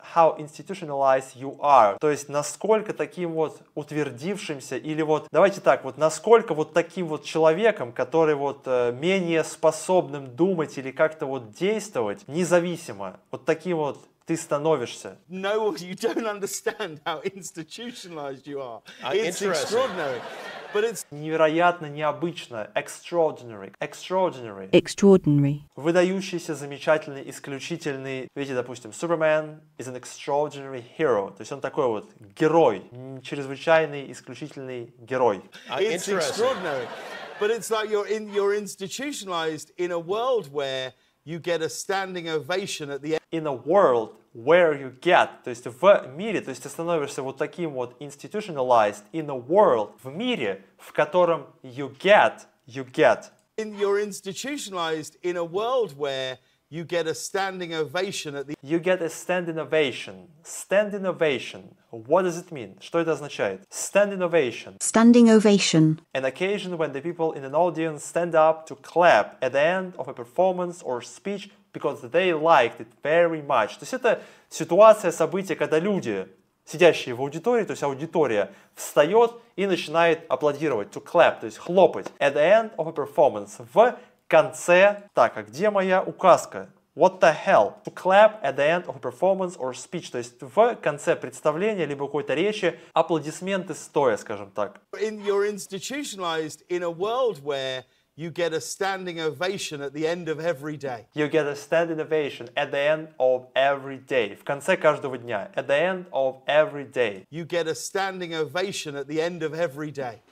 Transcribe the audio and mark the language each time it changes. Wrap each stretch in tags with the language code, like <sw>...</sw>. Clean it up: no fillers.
<en>How institutionalized you are.</en> <ru>То есть, насколько таким вот утвердившимся, или вот, давайте так, вот насколько вот таким вот человеком, который вот менее способным думать или как-то вот действовать, независимо, вот таким вот ты становишься.</ru> <en>No, you don't understand how institutionalized you are. It's extraordinary. But it's</en> <ru>невероятно необычно.</ru> <en>Extraordinary. Extraordinary. Extraordinary.</en> <ru>Выдающийся, замечательный, исключительный. Видите, допустим,</ru> <en>Superman is an extraordinary hero.</en> <ru>То есть он такой вот герой. Чрезвычайный, исключительный герой.</ru> <en>It's extraordinary. But it's like you're institutionalized in a world where you get a standing ovation at the end. In a world where you get,</en> <ru>то есть в мире, то есть ты становишься вот таким вот</ru> <en>institutionalized in a world,</en> <ru>в мире, в котором</ru> <en>you get. In your institutionalized in a world where you get a standing ovation at the. You get a standing ovation. Standing ovation. What does it mean?</en> <ru>Что это означает?</ru> <en>Standing ovation. Standing ovation. An occasion when the people in an audience stand up to clap at the end of a performance or speech because they liked it very much.</en> <ru>То есть это ситуация, событие, когда люди сидящие в аудитории, то есть аудитория встает и начинает аплодировать,</ru> <en>to clap,</en> <ru>то есть хлопать,</ru> <en>at the end of a performance,</en> <ru>в конце, так, а где моя указка?</ru> <en>What the hell? To clap at the end of a performance or speech.</en> <ru>То есть в конце представления либо какой-то речи аплодисменты стоя, скажем так.</ru> <en>In your institutionalized in a world where you get a standing ovation at the end of every day. You get a standing ovation at the end of every day.</en> <ru>В конце каждого дня.</ru> <en>At the end of every day. You get a standing ovation at the end of every day.</en>